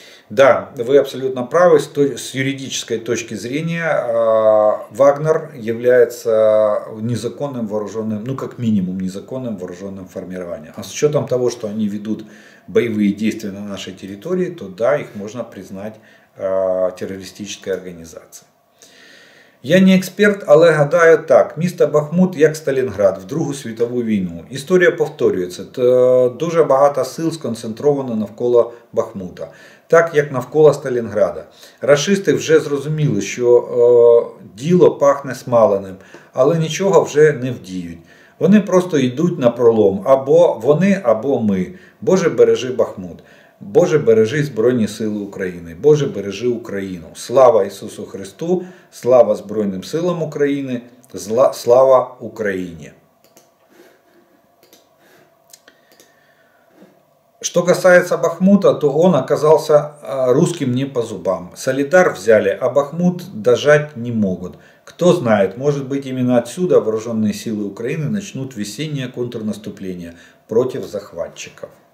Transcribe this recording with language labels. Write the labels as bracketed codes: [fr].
[ru] Да, вы абсолютно правы, с юридической точки зрения Вагнер является незаконным вооруженным, ну как минимум незаконным вооруженным формированием. А с учетом того, что они ведут боевые действия на нашей территории, то да, их можно признать террористической организации. Я не эксперт, [uk] але гадаю так. Місто Бахмут, як Сталінград, в Другу світову війну. Історія повторюється. Дуже багато сил сконцентровано навколо Бахмута. Так, як навколо Сталінграда. Рашисти вже зрозуміли, що діло пахне смаленим, але нічого вже не вдіють. Вони просто йдуть на пролом. Або вони, або ми. Боже, бережи Бахмут. Боже, бережи Збройні Сили України. Боже, бережи Україну. Слава Ісусу Христу, слава Збройним Силам України, слава Україні. [ru] Что касается Бахмута, то он оказался русским не по зубам. Солидар взяли, а Бахмут дожать не могут. Кто знает, может быть именно отсюда вооруженные силы Украины начнут весеннее контрнаступление против захватчиков.